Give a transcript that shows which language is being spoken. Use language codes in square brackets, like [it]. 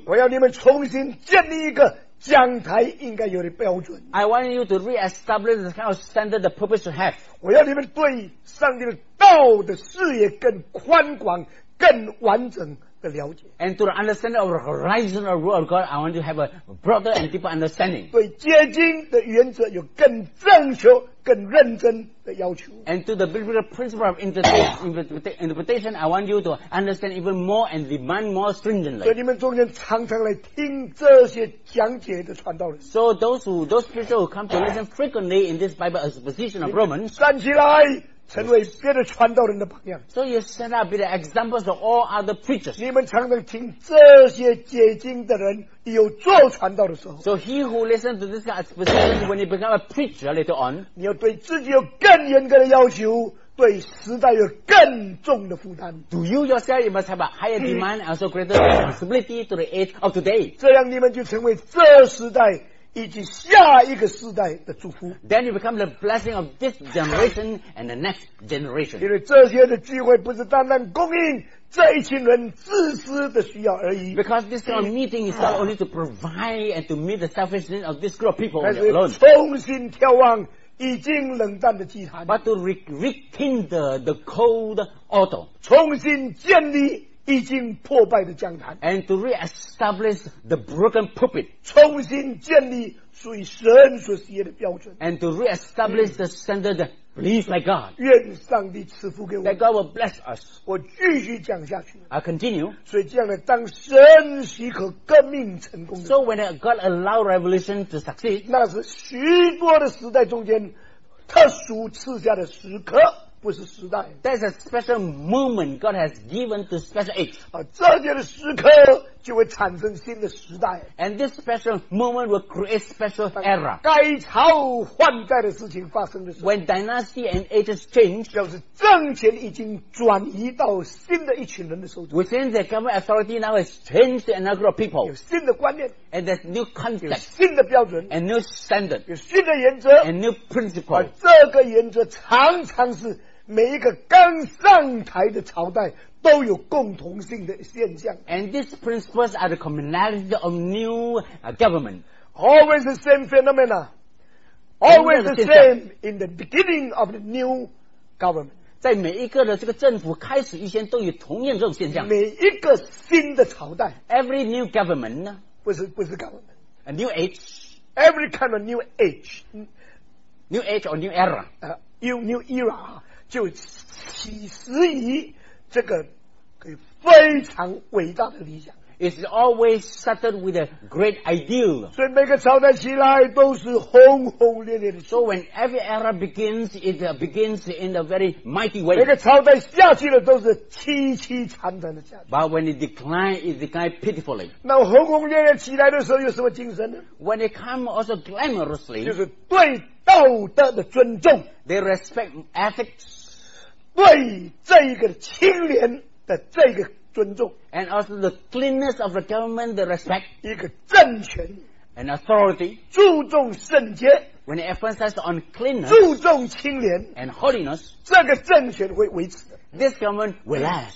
[zh] 我要你们重新建立一个讲台应该有的标准。 [en] I want you to re-establish the kind of standard the purpose to have. [zh] 我要你们对上帝的道的视野更宽广、更完整的了解。 [en] And to the understanding of the horizon of the word of God, I want you to have a broader and deeper understanding. [zh] 对结晶的原则有更正确、更认真的要求。 [en] And to the biblical principle of interpretation, I want you to understand even more and demand more stringently. [zh] 所以你们中间常常来听这些讲解的传道人。 [en] So those people who come to listen frequently in this Bible exposition of Romans, [zh] 站起来。成为别的传道人的榜样。 [en] So you set up the examples of all other preachers. [zh] 你们常常听这些解经的人有做传道的时候。 [en] So he who listens to this exposition when he becomes a preacher later on, [zh] 你要对自己有更严格的要求，对时代有更重的负担。 [en] Do you yourself you must have a higher demand and also greater responsibility to the age of today? [zh] 这样你们就成为这时代。以及下一个世代的祝福。 [en] Then you become the blessing of this generation and the next generation. [zh] 因为这些的聚会不是单单供应这一群人自私的需要而已。 [en] Because this kind of meeting is not only to provide and to meet the selfishness of this group of people alone. [zh] 而是重新眺望已经冷淡的祭坛。 [en] But to rekindle the cold altar. [zh] 重新建立已经破败的讲坛 [en] and to reestablish the broken pulpit, [zh] 重新建立属于神所喜悦的标准 [en] and to reestablish the standard believed by God. [zh] 愿上帝赐福给我 [en] that God will bless us. [zh] 我继续讲下去 [en] I continue. [zh] 所以这样的当神许可革命成功 [en] So when God allowed revolution to succeed, [zh] 那是许多的时代中间特殊赐下的时刻不是时代 [en] That's a special moment God has given to special age、 [zh] 啊、这些的时刻就会产生新的时代 [en] And this special moment will create special era [zh] 改朝换代的事情发生的时候 [en] When dynasty and ages change [zh] 表示政权已经转移到新的一群人的手中 [en] Within the government authority now has changed to another group of people [zh] 有新的观念 [en] And there's new concept [zh] 有新的标准 [en] And new standard [zh] 有新的原则 [en] And new principle [zh] 而这个原则常常是每一个刚上台的朝代都有共同性的现象 [en] And these principles are the commonality of new government Always the same phenomena Always the same in the beginning of the new government [zh] 在每一个的这个政府开始以前都有同样这种现象每一个新的朝代 [en] Every new government [zh] 呢不是 government [en] A new age Every kind of new age New age or new era New era [zh] 就起始于这个可以非常伟大的理想 [en] It's always started with a great ideal [zh] 所以每个朝代起来都是轰轰烈烈的 [en] So when every era begins it begins in a very mighty way [zh] 每个朝代下去了都是凄凄惨惨的下去 [en] But when it declines it declines pitifully [zh] 那轰轰烈烈起来的时候有什么精神呢 [en] When it comes also glamorously [zh] 就是对道德的尊重 [en] They respect ethics [zh] 对这一个清廉的这个尊重 [en] And also the cleanness of the government they respect [zh] 一个政权 [en] An authority [zh] 注重圣洁 [en] When it emphasizes on cleanness [zh] 注重清廉 [en] And holiness [zh] 这个政权会维持的 [en] This government will last